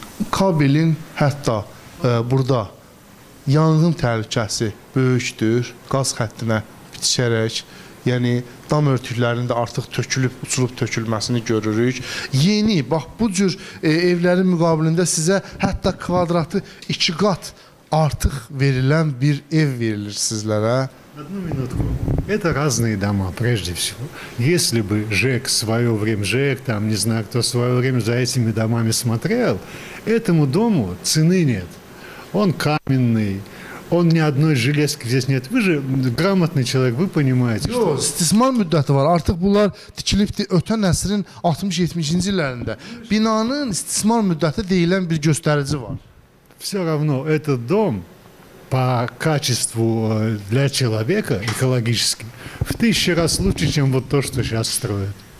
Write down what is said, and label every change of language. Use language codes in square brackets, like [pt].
[az] Kabelin hətta burada yanğın təhlükəsi böyükdür, qaz xəttinə bitişərək. Yəni dam örtüklərinin də artıq tökülüb, uçulub tökülməsini görürük. Yeni, bax bu cür evlərin müqabilində sizə hətta kvadratı 2 qat artıq verilən bir ev verilir sizlərə. [ru] Одну минутку. Это разные дома, прежде всего. Если бы ЖЭК в свое время, ЖЭК, там, не знаю, кто в свое время за этими домами смотрел, этому дому цены нет. Он каменный. Он ни одной железки здесь нет. Вы же грамотный человек, вы понимаете, что... [az] Yo, стисман müddəti var. Artıq bunlar tikilibdi ötən əsrin 60-70-ci illərində. Binanın istismar müddəti deyilən bir göstərici var. [ru] Все равно этот дом по качеству для человека экологически в 1000 раз лучше, чем вот то, что сейчас строят.